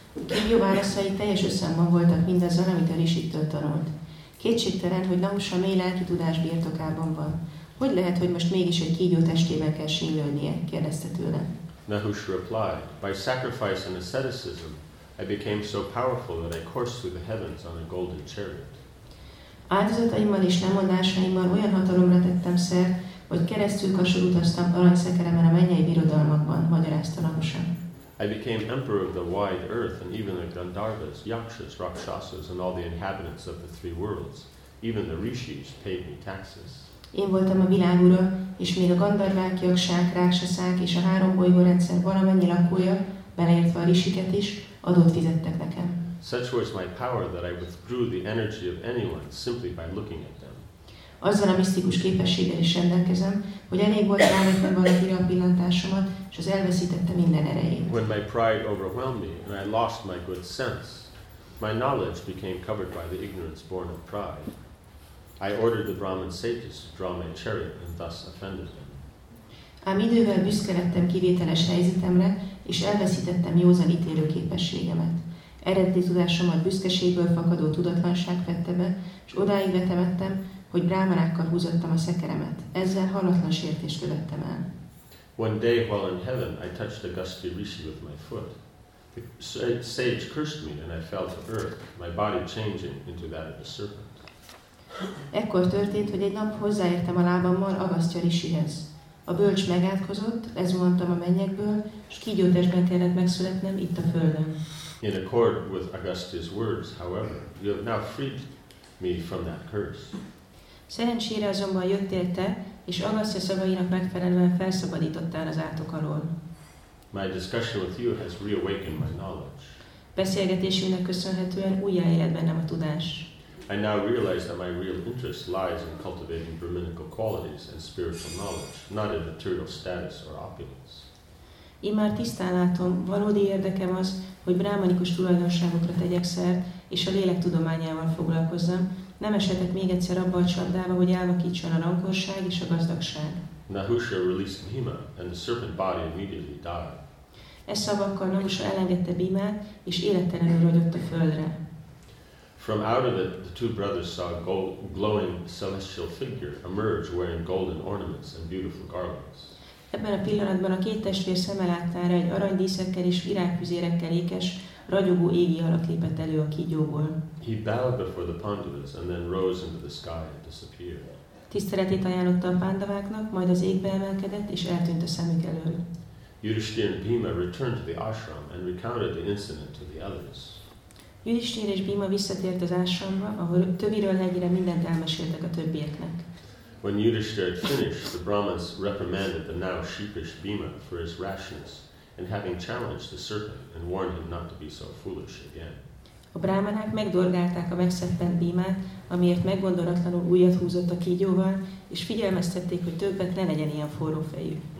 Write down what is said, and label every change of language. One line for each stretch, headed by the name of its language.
Hungarian: Kívül válaszai teljes összhangban voltak mindazon, amit a rishitől tanult. Kétségtelen, hogy Nahusha mély lelki tudás birtokában van. Hogy lehet, hogy most mégis egy kígyó testével kell sínylődnie? Kérdezte tőle.
English: Nahusha replied, by sacrifice and asceticism, I became so powerful that I coursed through the heavens on a golden chariot.
Hungarian: Áldozataimmal és lemondásaimmal olyan hatalomra tettem szert, hogy keresztül kasul utaztam aranyszekeremen a mennyei birodalmakban, magyarázta Nahusha.
English: I became emperor of the wide earth and even the Gandharvas, Yakshas, Rakshasas and all the inhabitants of the three worlds, even the Rishis paid me taxes.
Hungarian: Én voltam a világura, és még a Gandharvák, Yakshák, Rakshasák és a három bolygórendszer valamennyi lakója, beleértve a Rishiket is, adót fizettek nekem.
English: Such was my power that I withdrew the energy of anyone simply by looking at them.
Hungarian: Azzal a misztikus képességgel is rendelkezem, hogy elég volt rávetni valakire a pillantásomat, és az elveszítette minden erejét.
English: When my pride overwhelmed me and I lost my good sense, my knowledge became covered by the ignorance born of pride. I ordered the Brahmin sages to draw my chariot and thus offended them.
Hungarian: Ám idővel büszke lettem kivételes helyzetemre, és elveszítettem józan ítélő képességemet. Eredeti tudásomat büszkeségből fakadó tudatlanság vette be, és odáig vetemettem, hogy brámanákkal húzottam a szekeremet. Ezzel halatlan sértést követtem el.
English: One day while in heaven, I touched a gusty rishi with my foot. The sage cursed me, and I fell to earth, my body changing into that of a serpent.
Hungarian: Ekkor történt, hogy egy nap hozzáértem a lábammal a gusty rishihez. A bölcs megátkozott, lezuhantam a mennyekből, és kígyó testben kellett megszületnem itt a földön.
English: In accord with Augustus' words, however, you have now freed me from that curse.
Hungarian: Szerencsére azonban jöttél te, és Augustus szavainak megfelelően felszabadítottál az átok alól.
English: My discussion with you has reawakened my knowledge.
Hungarian: Beszélgetésünknek köszönhetően újjáéled bennem a tudás.
English: I now realize that my real interest lies in cultivating brahminical qualities and spiritual knowledge, not in material status or opulence.
Hungarian: Én már tisztán látom, valódi érdekem az, hogy brahmanikus tulajdonságokra tegyek szert, és a lélek tudományával foglalkozzam. Nem esetek még egyszer abba a csapdába, hogy elvakítson a rankorság és a gazdagság.
English: Nahusha released Bhima, and the serpent body immediately died.
Hungarian: E szavakkal Nahusha elengedte Bhimát, és élettelenül rogyott a földre.
English: From out of it, the two brothers saw a glowing celestial figure emerge wearing golden ornaments and beautiful garlands.
Hungarian: Ebben a pillanatban a két testvér szeme láttára egy aranydíszekkel és virágfüzérekkel ékes, ragyogó égi alak lépett elő a kígyóból.
English: He bowed before the Pandavas and then rose into the sky and disappeared.
Hungarian: Tiszteletét ajánlotta a Pandaváknak, majd az égbe emelkedett és eltűnt a szemük elől.
English: Yudhishthira and Bhima returned to the ashram and recounted the incident to the others.
Hungarian: Yudhishthira és Bhima visszatért az ásramba, ahol töviről hegyire mindent elmeséltek a többieknek.
English: When Yudhishthira had finished, the Brahmins reprimanded the now sheepish Bhima for his rashness and having challenged the serpent and warned him not to be so foolish again.
Hungarian: A brámanák megdorgálták a megszeppent bímát, amiért meggondolatlanul újat húzott a kígyóval, és figyelmeztették, hogy többet ne legyen ilyen forró fejű.